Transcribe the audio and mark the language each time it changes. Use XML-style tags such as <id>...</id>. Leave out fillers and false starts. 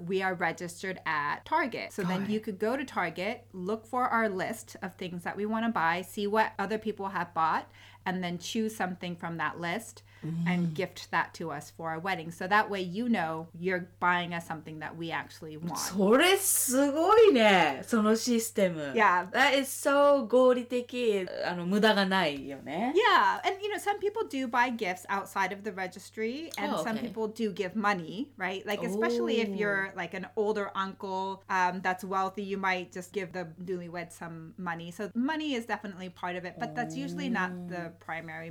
<en>We are registered at Target. So then you could go to Target, look for our list of things that we want to buy, see what other people have bought, and then choose something from that list. And gift that to us for our wedding. So that way you know you're buying us something that we actually want.</en> <ja>それすごいね、そのシステム。</ja> <en>Yeah. That is so</en> <ja>合理的、あの、無駄がないよね。</ja> <en>Yeah. And you know, some people do buy gifts outside of the registry. And some people do give money, right? Like, especially if you're like an older uncle that's wealthy, you might just give the newlywed some money. So money is definitely part of it. But that's usually not the primary.</en>